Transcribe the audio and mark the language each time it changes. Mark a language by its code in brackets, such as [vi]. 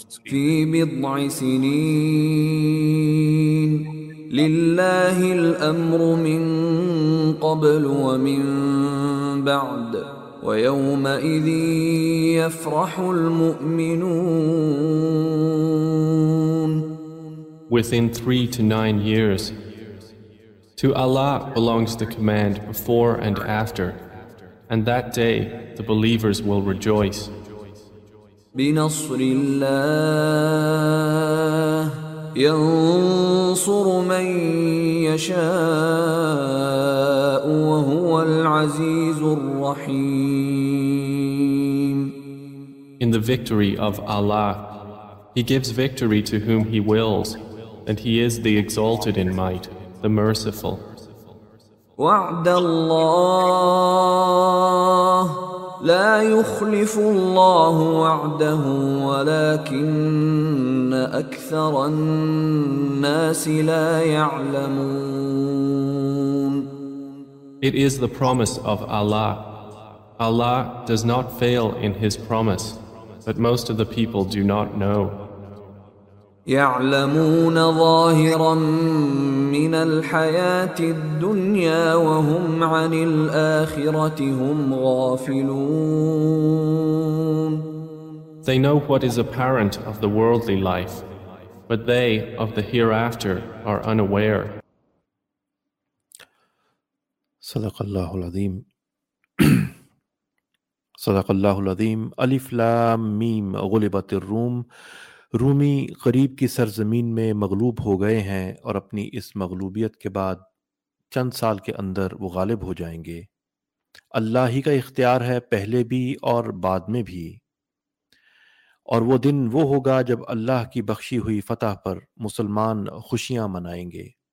[ar] فی بضع سنین۔ للہ الامر من قبل ومن بعد ویومئذ یفرح المؤمنون۔ [en] Within 3 to 9 years, to Allah belongs the command before and after, and that day the believers will rejoice۔ [ar] بنصر اللہ، ينصر من يشاء وهو العزيز الرحيم۔ [en] In the victory of Allah, He gives victory to whom He wills, and He is the exalted in might, the merciful۔ [ar] وعد الله، لا يخلف الله وعده ولكن اكثر الناس لا يعلمون۔ [en] It is the promise of Allah. Allah does not fail in His promise, but most of the people do not know۔ [ar] يعلمون ظاهرا من الحياة الدنيا وهم عن الآخرة هم غافلون۔ [en] They know what is apparent of the worldly life, but they of the hereafter are unaware۔ [ar] صدق اللہ العظیم۔ صدق اللہ العظیم۔ الف لام میم۔ غلبت الروم۔ [ur] رومی غریب کی سرزمین میں مغلوب ہو گئے ہیں، اور اپنی اس مغلوبیت کے بعد چند سال کے اندر وہ غالب ہو جائیں گے۔ اللہ ہی کا اختیار ہے، پہلے بھی اور بعد میں بھی۔ اور وہ دن وہ ہوگا جب اللہ کی بخشی ہوئی فتح پر مسلمان خوشیاں منائیں گے۔